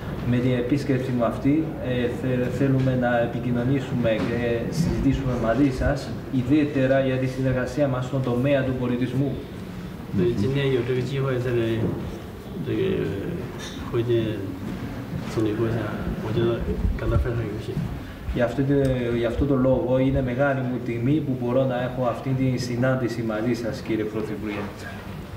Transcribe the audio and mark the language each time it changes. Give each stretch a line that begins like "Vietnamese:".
Greek: Με την επίσκεψη μου αυτή, θέλουμε να επικοινωνήσουμε και συζητήσουμε μαζί σας, ιδιαίτερα για τη συνεργασία μας στον τομέα του πολιτισμού.
Chinese: 所以今天有这个机会在这里这个会见总理阁下，我觉得感到非常有幸。
Greek: Γι' αυτό το λόγο είναι μεγάλη μου τιμή που μπορώ να έχω αυτή τη συνάντηση μαζί σας, κύριε Πρωθυπουργέ.